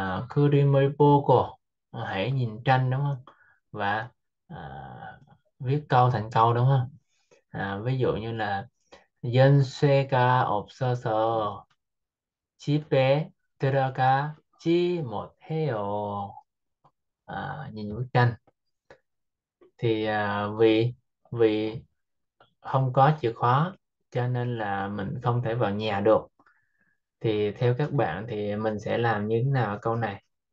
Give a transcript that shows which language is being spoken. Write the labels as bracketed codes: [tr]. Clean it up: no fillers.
[ko] 그림을 보고, [vi] hãy nhìn tranh đúng không? Và viết câu thành câu đúng không? Ví dụ như là [ko] 연쇄가 없어서 집에 들어가지 못해요. [vi] Nhìn bức tranh. Thì vì không có chìa khóa cho nên là mình không thể vào nhà được, thì theo các bạn thì mình sẽ làm như thế nào câu này?